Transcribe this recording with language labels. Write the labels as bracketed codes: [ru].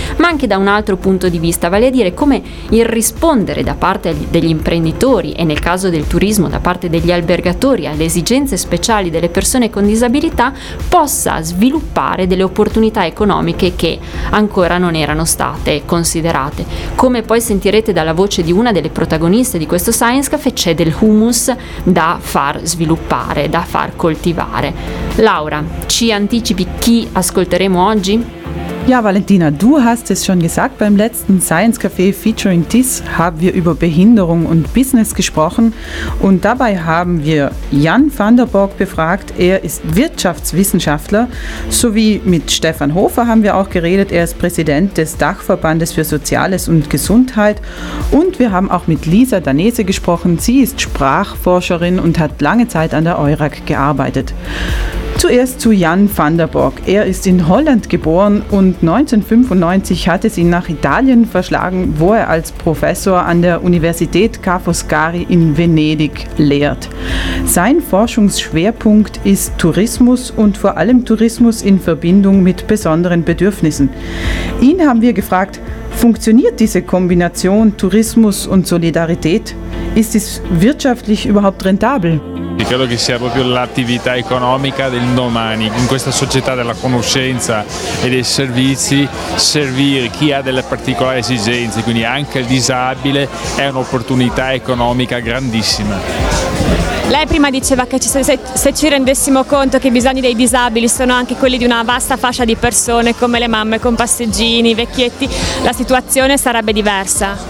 [it] ma anche da un altro punto di vista, vale a dire come il rispondere da parte degli imprenditori e nel caso del turismo da parte degli albergatori alle esigenze speciali delle persone con disabilità possa sviluppare delle opportunità economiche che ancora non erano state considerate. Come poi sentirete dalla voce di una delle protagoniste di questo Science Café, c'è del humus da far sviluppare, da far coltivare. Laura, ci anticipi chi ascolteremo oggi? [de] Ja, Valentina, du hast es schon gesagt, beim letzten Science Café featuring TIS haben wir über Behinderung und Business gesprochen und dabei haben wir Jan van der Borg befragt, er ist Wirtschaftswissenschaftler, sowie mit Stefan Hofer haben wir auch geredet, er ist Präsident des Dachverbandes für Soziales und Gesundheit und wir haben auch mit Lisa Danese gesprochen, sie ist Sprachforscherin und hat lange Zeit an der Eurac gearbeitet. Zuerst zu Jan van der Borg. Er ist in Holland geboren und 1995 hat es ihn nach Italien verschlagen, wo er als Professor an der Universität Ca' Foscari in Venedig lehrt. Sein Forschungsschwerpunkt ist Tourismus und vor allem Tourismus in Verbindung mit besonderen Bedürfnissen. Ihn haben wir gefragt, funktioniert diese Kombination Tourismus und Solidarität? Ist es wirtschaftlich überhaupt rentabel? [it] Credo che sia proprio l'attività economica del domani, in questa società della conoscenza e dei servizi, servire chi ha delle particolari esigenze, quindi anche il disabile, è un'opportunità economica grandissima. Lei prima diceva che se ci rendessimo conto che i bisogni dei disabili sono anche quelli di una vasta fascia di persone come le mamme con passeggini, vecchietti, la situazione sarebbe diversa.